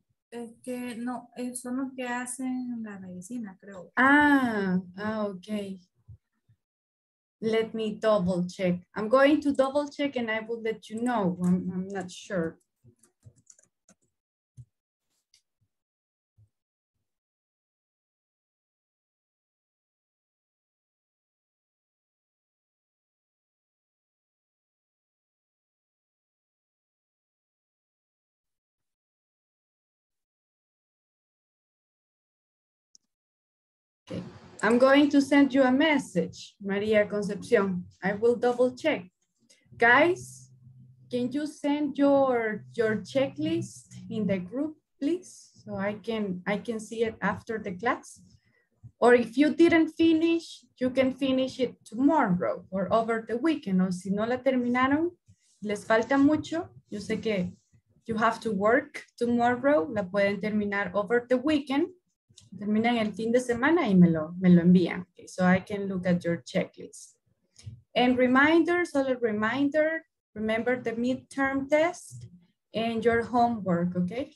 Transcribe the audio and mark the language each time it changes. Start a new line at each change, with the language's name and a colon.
Spanish: Es que no, son los que hacen la medicina, creo.
English: Ah, ok. Let me double check. I'm going to double check and I will let you know. I'm not sure. I'm going to send you a message, Maria Concepcion. I will double check. Guys, can you send your checklist in the group, please? So I can see it after the class. Or if you didn't finish, you can finish it tomorrow or over the weekend.
Spanish: O si no la terminaron, les falta mucho. Yo sé que
English: you have to work tomorrow.
Spanish: La pueden terminar
English: over the weekend.
Spanish: Terminan el fin de semana y me lo envían.
English: Okay, so I can look at your checklist. And reminder, solo reminder, remember the midterm test and your homework, okay?